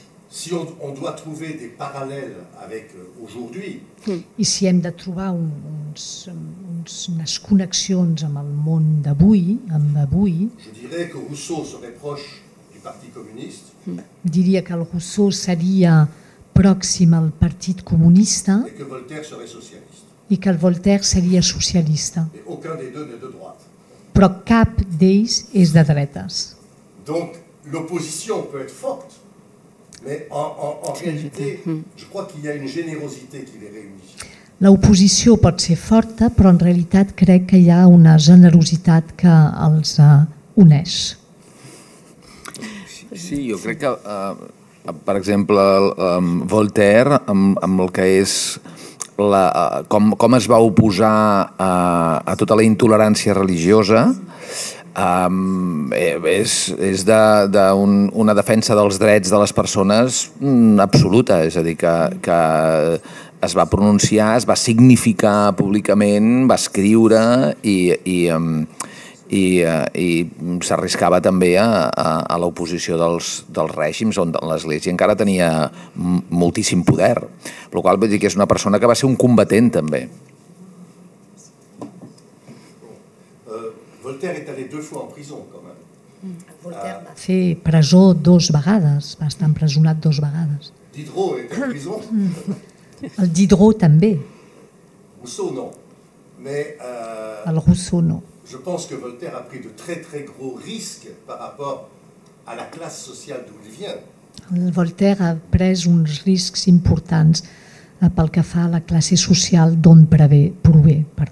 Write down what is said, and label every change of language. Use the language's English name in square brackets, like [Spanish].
[French] Si on doit trouver des parallèles avec aujourd'hui. [Catalan] I si hem de trobar unes connexions amb el món d'avui, [French] Je dirais que Rousseau serait proche du Parti communiste. [Catalan] Diria que el Rousseau seria pròxim al Partit Comunista. [French] Et que Voltaire serait socialiste. [Catalan] I que el Voltaire seria socialista. [French] Aucun des deux n'est de droite. [Catalan] Però cap d'ells és de dretes. [French] Donc l'opposition peut être forte, mais en réalité, je crois qu'il y a une générosité qui les réunit. [Catalan] L'oposició pot ser forta, però en realitat crec que hi ha una generositat que els uneix. Sí, jo crec que, per exemple, Voltaire, amb el que és... com es va oposar a tota la intolerància religiosa, és d'una defensa dels drets de les persones absoluta, és a dir, que es va pronunciar, es va significar públicament, va escriure i s'arriscava també a l'oposició dels règims, on l'Església encara tenia moltíssim poder. Per la qual vull dir que és una persona que va ser un combatent, també. [French] Voltaire est allé deux fois en prison, quand même. [Catalan] Voltaire va fer presó dos vegades, va estar empresonat dos vegades. [French] Diderot était en prison. [Catalan] El Diderot també. [French] Rousseau, no. Mais, [Catalan] el Rousseau, no. [French] Je pense que Voltaire a pris de très très gros risques par rapport à la classe sociale d'où il vient. [Catalan] Voltaire [French] a pris [Catalan] uns riscs importants pel que fa a la classe social d'on prové.